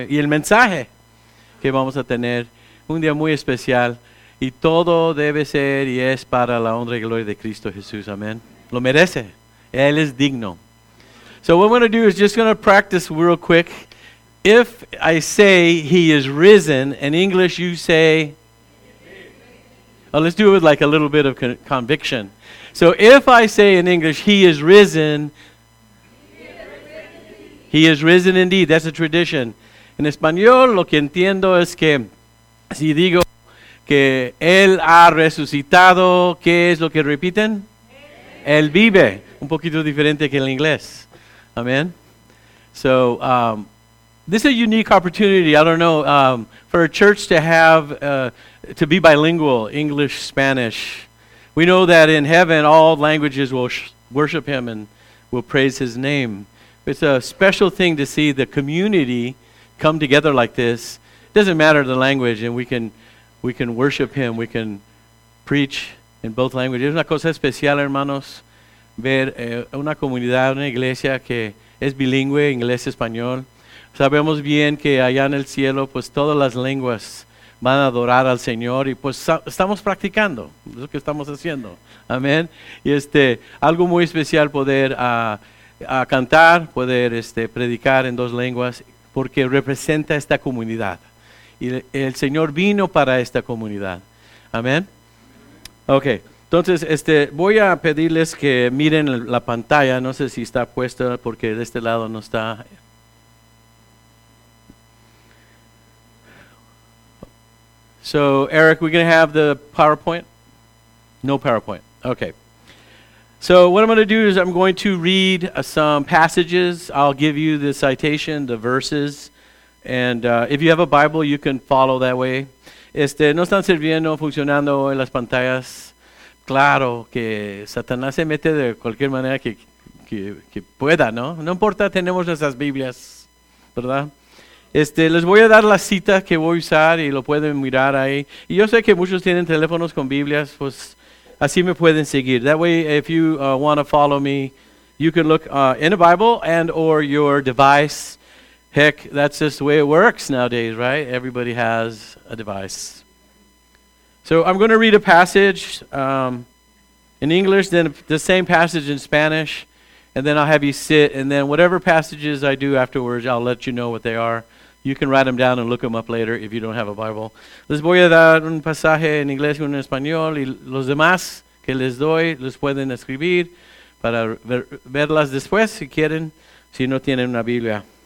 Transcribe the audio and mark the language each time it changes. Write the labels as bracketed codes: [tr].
[es] Y el mensaje que vamos a tener. Un día muy especial. Y todo debe ser y es para la honra y gloria de Cristo Jesús. Amén. Lo merece. Él es digno. [en] So what I'm going to do is just going to practice real quick. If I say he is risen, in English you say... Oh, let's do it with like a little bit of conviction. So if I say in English, he is risen. He is risen indeed. That's a tradition. [es] En español, lo que entiendo es que si digo que él ha resucitado, ¿qué es lo que repiten? Él vive. Un poquito diferente que el inglés. Amen. [en] So this is a unique opportunity. I don't know, for a church to have... to be bilingual, English, Spanish. We know that in heaven, all languages will worship him and will praise his name. It's a special thing to see the community come together like this. It doesn't matter the language, and we can worship him. We can preach in both languages. [es] Es una cosa especial, hermanos, ver una comunidad, una iglesia que es bilingüe, inglés, español. Sabemos bien que allá en el cielo, pues todas las lenguas van a adorar al Señor y pues estamos practicando, es lo que estamos haciendo, amén. Y algo muy especial poder a cantar, poder predicar en dos lenguas, porque representa esta comunidad. Y el Señor vino para esta comunidad, amén. Ok, entonces voy a pedirles que miren la pantalla, no sé si está puesta porque de este lado no está... [en] So, Eric, we're going to have the PowerPoint? No PowerPoint. Okay. So, what I'm going to do is I'm going to read some passages. I'll give you the citation, the verses. And if you have a Bible, you can follow that way. [es] No están sirviendo, funcionando hoy las pantallas. Claro que Satanás se mete de cualquier manera que pueda, ¿no? No importa, tenemos nuestras Biblias, ¿verdad? Les voy a dar la cita que voy a usar y lo pueden mirar ahí. Y yo sé que muchos tienen teléfonos con Biblias, pues así me pueden seguir. [en] That way, if you want to follow me, you can look in a Bible and or your device. Heck, that's just the way it works nowadays, right? Everybody has a device. So I'm going to read a passage in English, then the same passage in Spanish, and then I'll have you sit, and then whatever passages I do afterwards, I'll let you know what they are. You can write them down and look them up later if you don't have a Bible. [es] Les voy a dar un pasaje en inglés y uno en español. Y los demás que les doy, los pueden escribir para verlas después si quieren, si no tienen una Biblia.